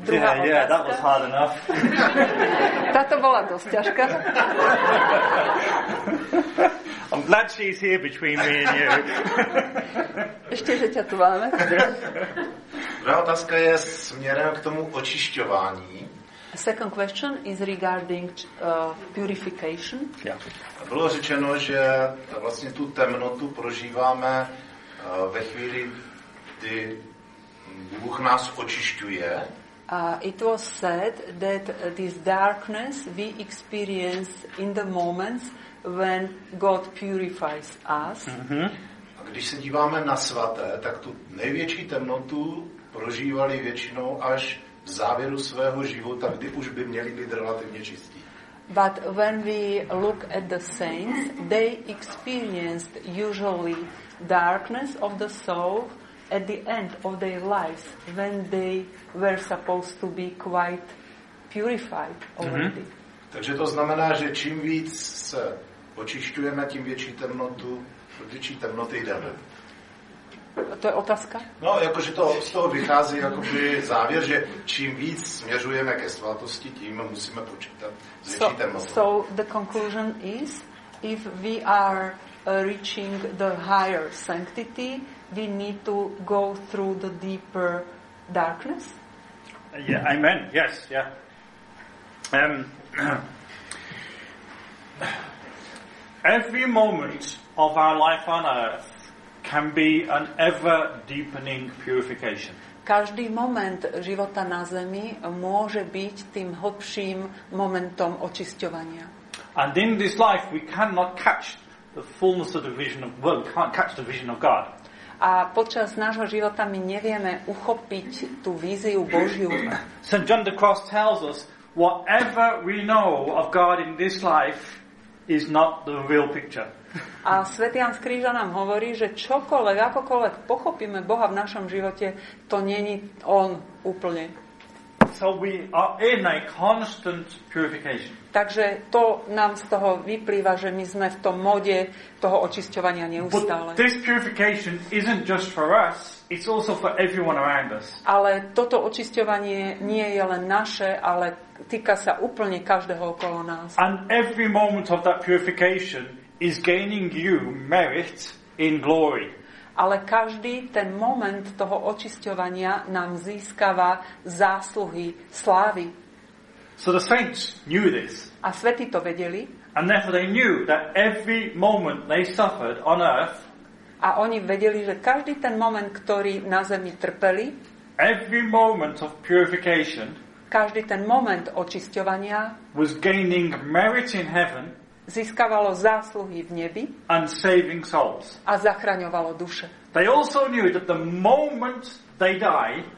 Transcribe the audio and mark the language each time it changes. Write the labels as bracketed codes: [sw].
[en] Yeah, that was hard enough. [sk] Táto bola dosť ťažká. [en] I'm glad she's here between me and you. [sk] Ešte, že ťa tu máme. Druhá otázka je smerom k tomu očišťování. [en] Second question is regarding purification. Yeah. [cs] Bylo řečeno, že vlastně tu temnotu prožíváme ve chvíli, kdy Bůh nás očišťuje. [en] It was said that this darkness we experience in the moments when God purifies us. [cs] A když se díváme na svaté, tak tu největší temnotu prožívali většinou až v závěru svého života, kdy už by měli být relativně čistí. [en] But when we look at the saints, they experienced usually darkness of the soul at the end of their lives when they were supposed to be quite purified already. [cs] Takže to znamená, že čím víc se očišťujeme, tím větší temnotu, větší temnoty jdeme. To je otázka? No, jakože to z toho vychází jakoby závěr, že čím víc směřujeme ke svatosti, tím musíme počítat s větší temnotou. [en] So the conclusion is, if we are reaching the higher sanctity, we need to go through the deeper darkness? Yeah, amen. Yes, yeah. every moment of our life on earth can be an ever deepening purification. [sk] Každý moment života na zemi môže byť tým hlbším momentom očisťovania. [en] And in this life we cannot catch the fullness of the vision of God. Well, we can't catch the vision of God. [sk] A počas nášho života my nevieme uchopiť tú víziu Božiu. [en] St. John the Cross tells us, whatever we know of God in this life is not the real picture. [sk] A svätý Ján z Kríža nám hovorí, že čokoľvek, akokoľvek pochopíme Boha v našom živote, to není on úplne. [en] So we are in a constant purification. [sk] Takže to nám z toho vyplýva, že my sme v tom mode toho očisťovania neustále. [en] But this purification isn't just for us, it's also for everyone around us. [sk] Ale toto očisťovanie nie je len naše, ale týka sa úplne každého okolo nás. [en] And every moment of that purification is gaining you merit in glory. [sk] Ale každý ten moment toho očisťovania nám získava zásluhy slávy. [en] So the saints knew this. [sk] A svätí to vedeli. [en] And therefore they knew that every moment they suffered on earth. [sk] A oni vedeli, že každý ten moment, ktorý na zemi trpeli, [en] every moment of purification, [sk] každý ten moment očisťovania, [en] was gaining merit in heaven, [sk] získavalo zásluhy v nebi, [en] and saving souls, [sk] a zachraňovalo duše. [en] They also knew that the moment they die,